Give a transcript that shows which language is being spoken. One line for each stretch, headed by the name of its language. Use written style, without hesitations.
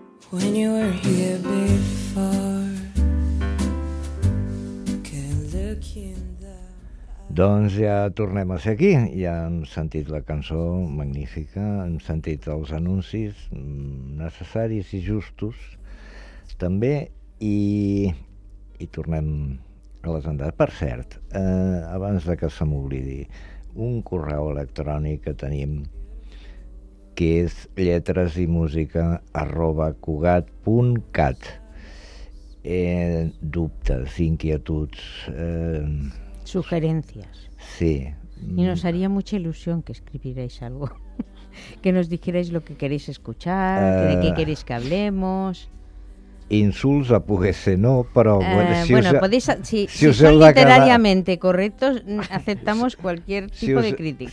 English: When you were here before, can look in the...
Catalan: Doncs ja tornem a ser aquí. Ja hem sentit la cançó magnífica, hem sentit els anuncis necessaris i justos també, i tornem a les andades. Per cert, abans de que se m'oblidi, un correu electrònic que tenim, que és lletresimusica@cugat.cat. Dubtes, inquietuds... Sugerències. Sí.
Spanish: I nos haría mucha ilusión que escribierais algo. Que nos dijerais lo que queréis escuchar, de qué queréis que hablemos...
Catalan: Insults a poder ser no, però... Bueno, si bueno, si heu de quedar... literàriament
Spanish: correctos, aceptamos cualquier
Catalan: tipus
Spanish: de crítica.